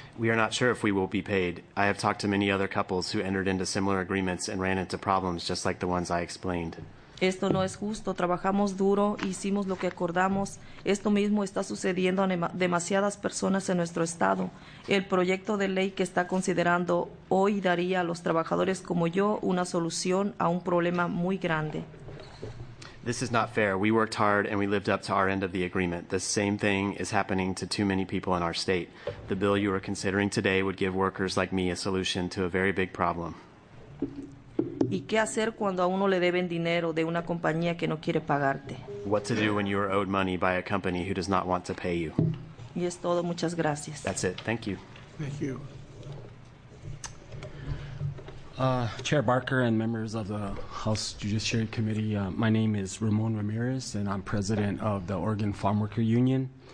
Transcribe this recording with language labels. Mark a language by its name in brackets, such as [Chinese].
[English] We are not sure if we will be paid. I have talked to many other couples who entered into similar agreements and ran into problems just like the ones I explained. [Spanish] Esto no es justo. Trabajamos duro, hicimos lo que acordamos. Esto mismo está sucediendo a demasiadas personas en nuestro estado. El proyecto de ley que está considerando hoy daría a los trabajadores como yo una solución a un problema muy grande. [English] This is not fair. We worked hard and we lived up to our end of the agreement. The same thing is happening to too many people in our state. The bill you are considering today would give workers like me a solution to a very big problem. [Spanish] ¿Y qué hacer cuando a uno le deben dinero de una compañía que no quiere pagarte? [English] What to do when you are owed money by a company who does not want to pay you? [Spanish] Y es todo. Muchas gracias. [English] That's it. Thank you. Thank you. Chair Barker and members of the House Judiciary Committee, my name is Ramon Ramirez, and I'm president of the Oregon Farm Worker Union.